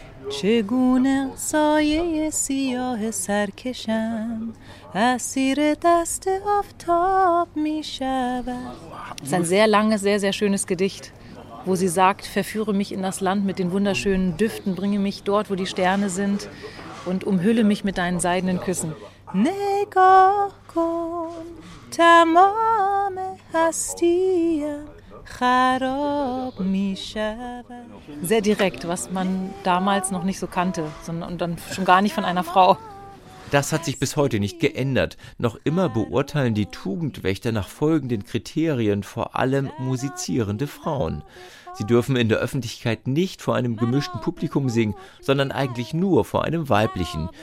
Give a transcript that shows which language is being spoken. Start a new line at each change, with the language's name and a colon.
Persian: چگونه سایه سیاه سرکشم اسیر دست آفتاب می شود.
German: Es ist ein sehr langes, sehr, sehr schönes Gedicht, wo sie sagt, verführe mich in das Land mit den wunderschönen Düften, bringe mich dort, wo die Sterne sind und umhülle mich mit deinen seidenen Küssen.
Persian: نگاه کن تمام هستیم خراب می شود.
German: Sehr direkt, was man damals noch nicht so kannte, sondern dann schon gar nicht von einer Frau. Das hat sich bis heute nicht geändert. Noch immer beurteilen die Tugendwächter nach folgenden Kriterien vor allem musizierende Frauen. Sie dürfen in der Öffentlichkeit nicht vor einem gemischten Publikum singen, sondern eigentlich nur vor einem weiblichen.